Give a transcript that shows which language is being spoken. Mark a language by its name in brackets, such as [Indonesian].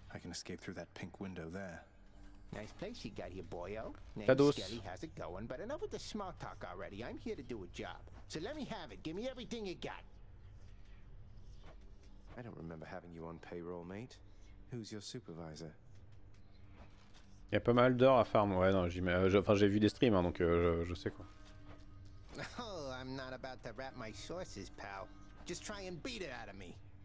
[English] I can escape through that pink window there. Nice place you got here, boyo. Tados. How's it going? But enough with the smart talk already. I'm here to do a job. So let me have it. Give me everything you got. I don't remember having you on payroll, mate. Who's your supervisor? [French] Il y a pas mal d'heures à farm. Ouais, non, j'ai vu des streams, hein, donc je sais quoi. [English] Oh, I'm not about to wrap my sources, pal. Just try and beat it out of me.